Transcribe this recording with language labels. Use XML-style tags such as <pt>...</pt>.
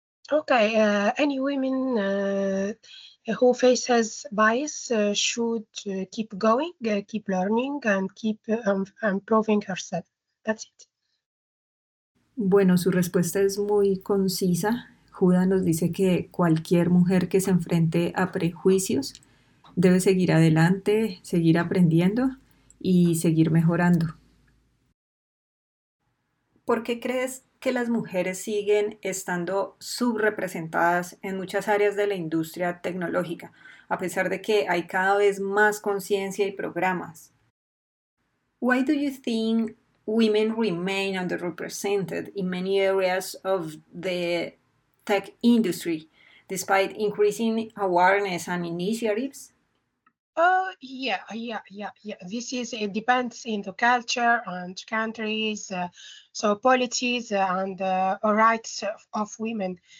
<en>Okay, any women who faces bias should keep going, keep learning and keep improving herself. That's it.</en> <es>Bueno, su respuesta es muy concisa. Huda nos dice que cualquier mujer que se enfrente a prejuicios debe seguir adelante, seguir aprendiendo y seguir mejorando. ¿Por qué crees que las mujeres siguen estando subrepresentadas en muchas áreas de la industria tecnológica, a pesar de que hay cada vez más conciencia y programas?</es> <en>Why do you think women remain underrepresented in many areas of the tech industry, despite increasing awareness and initiatives? This is, it depends in the culture and countries, so policies and rights of women.</en>